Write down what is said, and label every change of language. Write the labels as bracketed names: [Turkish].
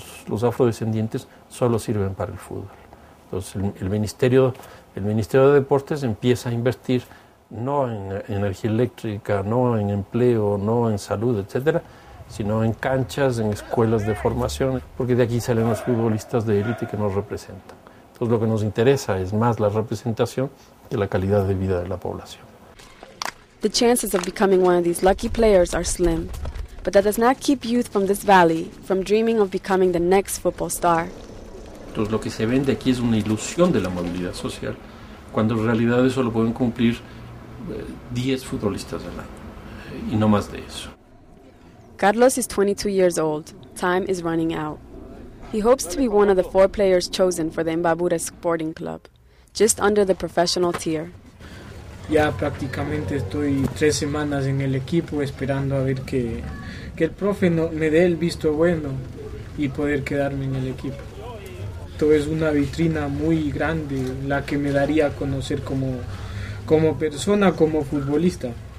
[Spanish] Los afrodescendientes solo sirven para el fútbol. Entonces el Ministerio de Deportes empieza a invertir no en energía eléctrica, no en empleo, no en salud, etcétera, sino en canchas, en escuelas de formación, porque de aquí salen los futbolistas de élite que nos representan. Entonces lo que nos interesa es más la representación que la calidad de vida de la población. [English] The chances of becoming one of these lucky players are slim, but that does not keep youth from this valley from dreaming of becoming the next football star. [Spanish] Entonces lo que se vende aquí es una ilusión de la movilidad social, cuando en realidad eso lo pueden cumplir 10 futbolistas al año, y no más de eso. [English] Carlos is 22 years old. Time is running out. He hopes to be one of the 4 players chosen for the Imbabura Sporting Club, just under the professional tier. [Spanish] Ya prácticamente estoy 3 semanas en el equipo esperando a ver que el profe me dé el visto bueno y poder quedarme en el equipo. Esto es una vitrina muy grande, la que me daría a conocer como persona, como futbolista.